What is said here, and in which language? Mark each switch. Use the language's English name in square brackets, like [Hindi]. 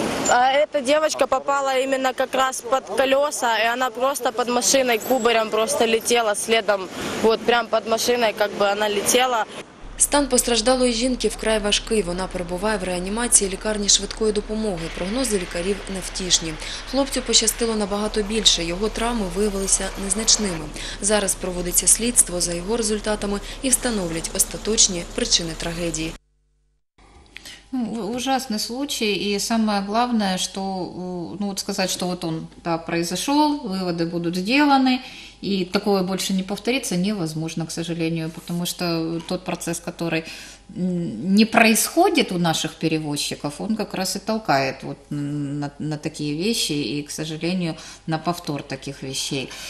[Russian] А эта девочка попала именно как раз под колеса, и она просто под машиной кубарем просто летела следом. Вот прям под машиной как бы она летела. [Ukrainian] Стан постраждалої жінки вкрай важкий. Вона перебуває в реанімації лікарні швидкої допомоги. Прогнози лікарів невтішні. Хлопцю пощастило набагато більше. Його травми виявилися незначними. Зараз проводиться слідство за його результатами і встановлять остаточні причини трагедії. [Russian] Ужасный случай, и самое главное, что сказать, что вот он произошел, выводы будут сделаны, и такое больше не повторится, невозможно, к сожалению, потому что тот процесс, который не происходит у наших перевозчиков, он как раз и толкает на такие вещи и, к сожалению, на повтор таких вещей.